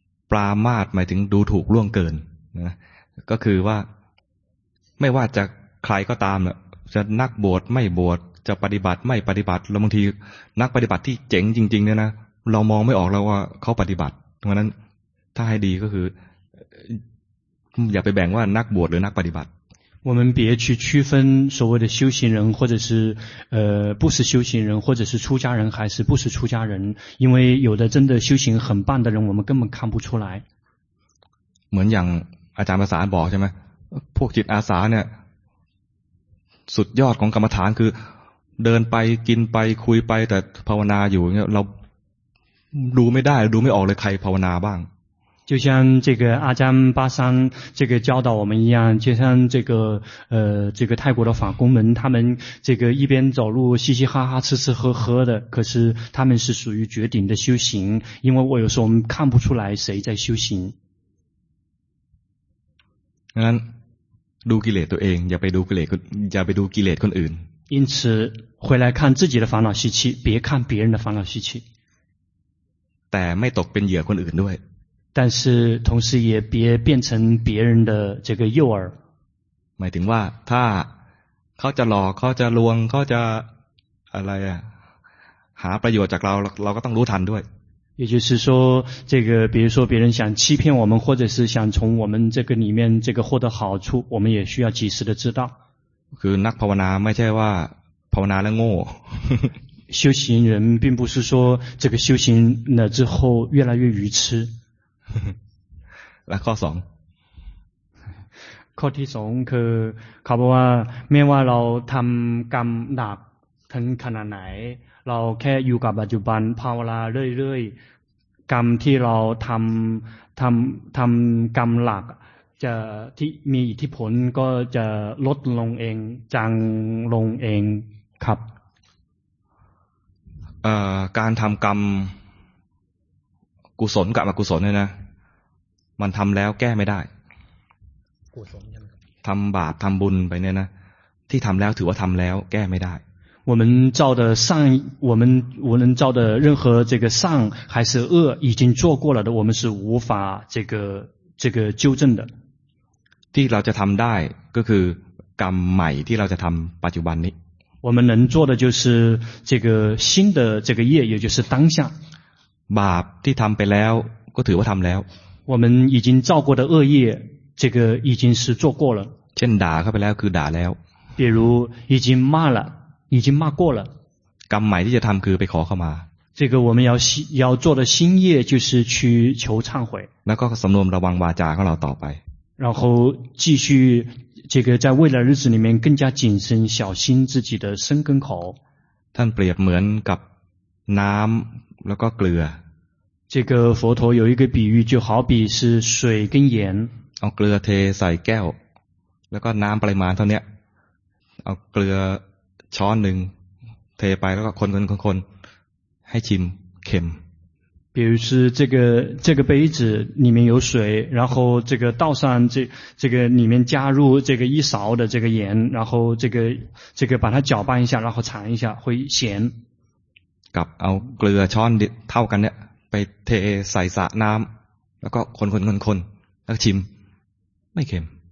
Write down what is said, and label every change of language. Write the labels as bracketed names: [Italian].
[Thai] ปรามาสหมายถึงดูถูกล่วงเกินนะก็คือว่าไม่ว่าจะใครก็ตามจะนักบวชไม่บวชจะปฏิบัติไม่ปฏิบัติเราบางทีนักปฏิบัติที่เจ๋งจริงๆเนี่ยนะเรามองไม่ออกแล้วว่าเขาปฏิบัติเพราะนั้นถ้าให้ดีก็คืออย่าไปแบ่งว่านักบวชหรือนักปฏิบัติ [Chinese] 我们别去区分所谓的修行人或者是不是修行人或者是出家人还是不是出家人因为有的真的修行很棒的人我们根本看不出来 [Thai] เหมือนอย่างอาจารย์ภาษาบอกใช่ไหมพวกจิตอาสาเนี่ยสุดยอดของกรรมฐานคือเดินไปกินไปคุยไปแต่ภาวนาอยู่เงี้ยเราดูไม่ได้ดูไม่ออกเลยใครภาวนาบ้าง [Chinese] 就像这个阿占巴桑这个教导我们一样就像这个这个泰国的法公们他们这个一边走路嘻嘻哈哈吃吃喝喝的可是他们是属于绝顶的修行因为我有时候我们看不出来谁在修行 [Thai] งั้นดูกิเลสตัวเองอย่าไปดูกิเลสอย่าไปดูกิเลสคนอื่น [Chinese] 因此回来看自己的烦恼习气别看别人的烦恼习气 [Thai] แต่ไม่ตกเป็นเหยื่อคนอื่นด้วย [Chinese] 但是同时也别变成别人的这个诱饵 [Thai] หมายถึงว่าถ้าเขาจะหลอกเขาจะลวงเขาจะอะไรอ่ะหาประโยชน์จากเราก็ต้องรู้ทันด้วย [Chinese] 也就是说这个比如说别人想欺骗我们或者是想从我们这个里面这个获得好处我们也需要及时的知道 [Thai] คือนักภาวนาไม่ใช่ว่าภาวนาแล้วโง่ [Chinese] 修行人并不是说这个修行了之后越来越愚痴 [Thai] และข้อ2 ข้อที่2คือเขาบอกว่าไม่ว่าเราทำกรรมหนักถึงขนาดไหนเราแค่อยู่กับปัจจุบันภาวนาเรื่อยๆกรรมที่เราทำกรรมหนักจะที่มีอิทธิพลก็จะลดลงเองจางลงเองครับ การทำกรรมกุศลกับอกุศลเนี่ยนะมันทำแล้วแก้ไม่ได้กุศล ทำบาปทำบุญไปเนี่ยนะที่ทำแล้วถือว่าทำแล้วแก้ไม่ได้ [Chinese] 我们造的善我们造的任何这个善还是恶已经做过了的我们是无法这个纠正的 [Thai] ที่เราจะทำได้ก็คือกรรมใหม่ที่เราจะทำปัจจุบันนี้ [Chinese] 我们能做的就是这个新的这个业也就是当下 [Thai] บาปที่ทำไปแล้วก็ถือว่าทำแล้ว [Chinese] 我们已经造过的恶业这个已经是做过了 [Thai] เช่นด่าเข้าไปแล้วคือด่าแล้ว [Chinese] 比如已经骂了已经骂过了 [Thai] กรรมใหม่ที่จะทำคือไปขอเข้ามา [Chinese] 这个我们要做的新业就是去求忏悔 [Thai] แล้วก็สำนวนระวังวาจาของเราต่อไป [Chinese] 然后继续这个在未来日子里面更加谨慎小心自己的身跟口 [Thai] ท่านเปรียบเหมือนกับน้ำแล้วก็เกลือ [Chinese] 这个佛陀有一个比喻就好比是水跟盐 [Thai] เอาเกลือเทใส่แก้วแล้วก็น้ำปริมาณเท่านี้เอาเกลือช้อนหนึ่งเทไปแล้วก็คนให้ชิมเค็ม [Chinese] 比如是这个杯子里面有水然后这个倒上这个里面加入这个一勺的这个盐然后这个把它搅拌一下然后尝一下会咸 [Thai] กับเอาเกลือช้อนเท่ากันเนี่ยไปเทใส่สระน้ำแล้วก็คนแล้วชิมไม่เค็ม